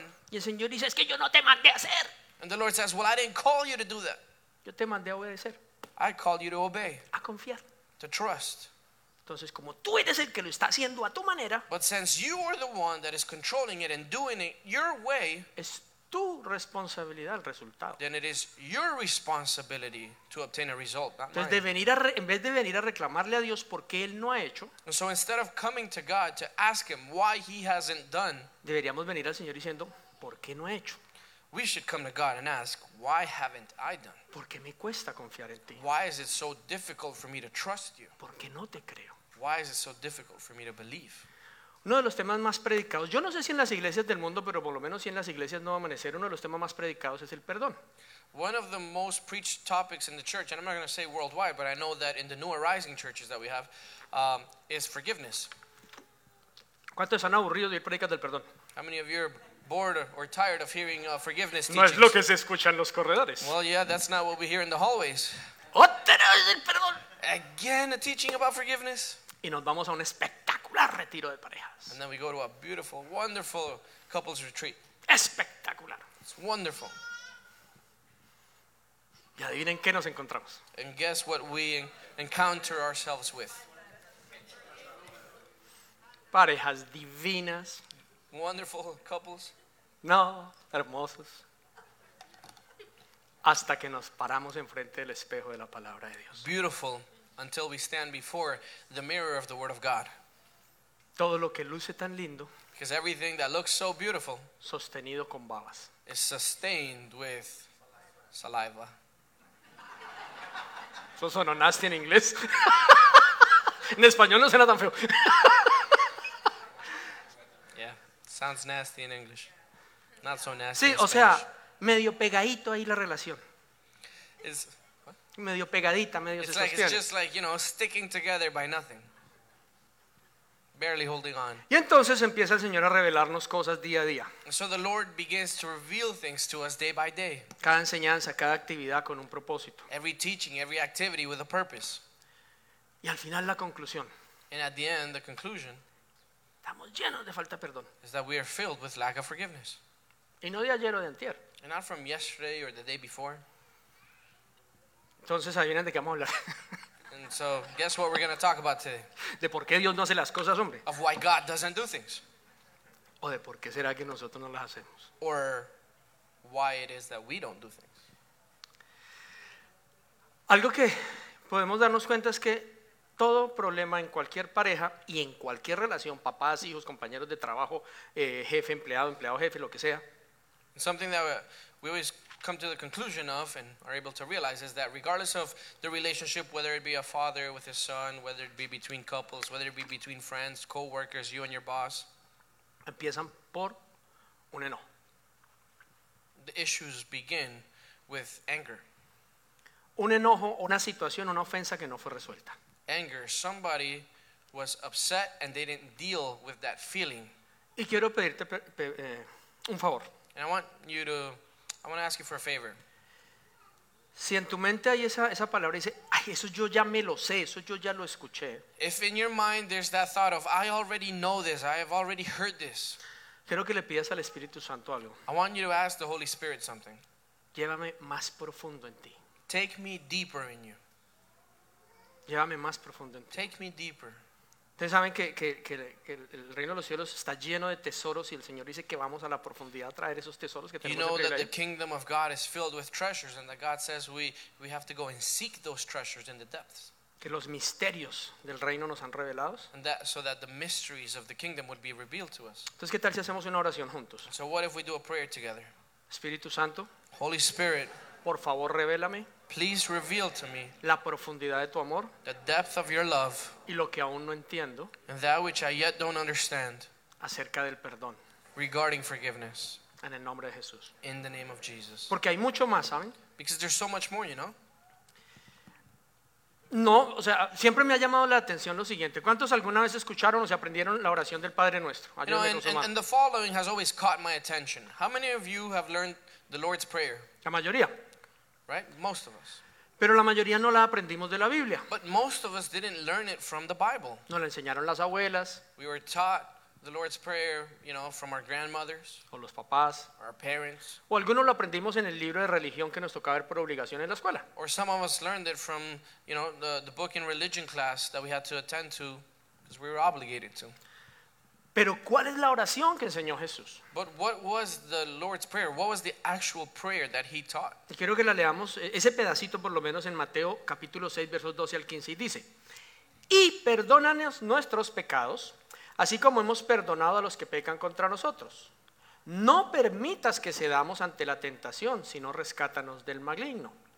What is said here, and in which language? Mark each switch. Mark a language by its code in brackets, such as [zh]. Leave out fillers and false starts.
[es] Y el Señor dice, es que yo no te mandé a hacer. [en] And the Lord says, well, I didn't call you to do that. [es] Yo te mandé a obedecer. [en] I called you to obey. [es] A confiar. [en] To trust. [es] Entonces, como tú eres el que lo está haciendo a tu manera. [en] But since you are the one that is controlling it and doing it your way. [es] Es tu responsabilidad el resultado. [en] Then it is your responsibility to obtain a result, not [es] entonces, [en] mine. [es] En vez de venir a reclamarle a Dios por qué él no ha hecho. [en] And so instead of coming to God to ask him why he hasn't done. [es] Deberíamos venir al Señor diciendo, ¿por qué no ha hecho? [en] We should come to God and ask, why haven't I done? [es] ¿Por qué me cuesta confiar en ti? [en] Why is it so difficult for me to trust you? [es] ¿Por qué no te creo? [en] Why is it so difficult for me to believe? [es] Uno de los temas más predicados, yo no sé si en las iglesias del mundo, pero por lo menos si en las iglesias Nuevo Amanecer, uno de los temas más predicados es el perdón. [en] One of the most preached topics in the church, and I'm not going to say worldwide, but I know that in the new arising churches that we have, is forgiveness. [es] ¿Cuántos están aburridos de ir predicas del perdón? [en] How many of you are bored or tired of hearing forgiveness teachings? [es] No es lo que se escucha en los corredores. [en] Well, yeah, that's not what we hear in the hallways. [es] ¡Otra vez el perdón! [en] Again, a teaching about forgiveness. [es] Y nos vamos a un espectacular retiro de parejas. [en] And then we go to a beautiful, wonderful couples retreat. [es] Espectacular. [en] It's wonderful. [es] Y adivinen qué nos encontramos. [en] And guess what we encounter ourselves with. [es] Parejas divinas. [en] Wonderful couples. [es] No, hermosos. Hasta que nos paramos enfrente del espejo de la palabra de Dios. [en] Beautiful until we stand before the mirror of the word of God. [es] Todo lo que luce tan lindo. [en] Because everything that looks so beautiful. [es] Sostenido con babas. [en] Is sustained with saliva. [es] Eso sonó nasty en inglés. En español no suena tan feo. [en] Sounds nasty in English. Not so nasty. [es] Sí, [en] in [es] o sea, medio pegadito ahí la relación. [en] Is [es] medio pegadita, medio [en] it's [es] se [en] like, [es] sostiene. [en] It's just like, you know, sticking together by nothing. Barely holding on. [es] Y entonces empieza el Señor a revelarnos cosas día a día. [en] So the Lord begins to reveal things to us day by day. [es] Cada enseñanza, cada actividad con un propósito. [en] Every teaching, every activity with a purpose. [es] Y al final la conclusión. [en] And at the end, the conclusion. [es] Estamos llenos de falta de perdón. [en] Is that we are filled with lack of forgiveness. [es] Y no de ayer o de antier. [en] And not from yesterday or the day before. [es] Entonces, adivinen de qué vamos a hablar. [en] And so, guess what we're going to talk about today? [es] De por qué Dios no hace las cosas, hombre. [en] Of why God doesn't do things. [es] O de por qué será que nosotros no las hacemos. [en] Or why it is that we don't do things. [es] Algo que podemos darnos cuenta es que todo problema en cualquier pareja y en cualquier relación, papás, hijos, compañeros de trabajo, jefe, empleado, empleado, jefe, lo que sea. [en] Something that we always come to the conclusion of and are able to realize is that regardless of the relationship, whether it be a father with his son, whether it be between couples, whether it be between friends, co-workers, you and your boss, [es] empiezan por un enojo. [en] The issues begin with anger. [es] Un enojo, una situación, una ofensa que no fue resuelta. [en] Anger, somebody was upset and they didn't deal with that feeling. [es] Y quiero pedirte un favor. [en] And I want to ask you for a favor. [es] Si en tu mente hay esa palabra y dice, ay, eso yo ya me lo sé, eso yo ya lo escuché. [en] If in your mind there's that thought of, I already know this, I have already heard this. [es] Quiero que le pidas al Espíritu Santo algo. [en] I want you to ask the Holy Spirit something. [es] Llévame más profundo en ti. [en] Take me deeper in you. [es] Llévame más profundo en ti. [en] Take me deeper. [es] Ustedes saben que el reino de los cielos está lleno de tesoros y el Señor dice que vamos a la profundidad a traer esos tesoros que tenemos. [en] You know that the kingdom of God is filled with treasures and that God says we have to go and seek those treasures in the depths. [es] Que los misterios del reino nos han revelados. [en] And that, so that the mysteries of the kingdom would be revealed to us. [es] Entonces, ¿qué tal si hacemos una oración juntos? [en] So what if we do a prayer together? [es] Espíritu Santo. [en] Holy Spirit. [es] Por favor, revélame. [en] Please reveal to me [es] la profundidad de tu amor, [en] the depth of your love, [es] y lo que aún no entiendo, [en] and that which I yet don't understand, [es] acerca del perdón, [en] regarding forgiveness, [es] en el nombre de Jesús, [en] in the name of Jesus. [es] Porque hay mucho más, ¿saben? [en] Because there's so much more, you know. [es] No, o sea, siempre me ha llamado la atención lo siguiente. ¿Cuántos alguna vez escucharon o se aprendieron la oración del Padre Nuestro? [en] You know, and the following has always caught my attention. How many of you have learned the Lord's Prayer? [es] La mayoría. [en] Right, most of us. [es] Pero la mayoría no la aprendimos de la Biblia. [en] But most of us didn't learn it from the Bible. [es] Nos la enseñaron las abuelas. [en] We were taught the Lord's Prayer, you know, from our grandmothers. [es] O los papás. [en] Our parents. [es] O algunos lo aprendimos en el libro de religión que nos tocaba ver por obligación en la escuela. [en] Or some of us learned it from, you know, the book in religion class that we had to attend to because we were obligated to. [es] Pero ¿cuál es la oración que enseñó Jesús? [en] But what was the Lord's Prayer? What was the actual prayer that he taught? [es] Y quiero que la leamos, ese pedacito por lo menos en Mateo capítulo 6 versos 12 al 15 y dice, y perdónanos nuestros pecados, así como hemos perdonado a los que pecan contra nosotros. No permitas que cedamos ante la tentación, sino rescátanos del maligno.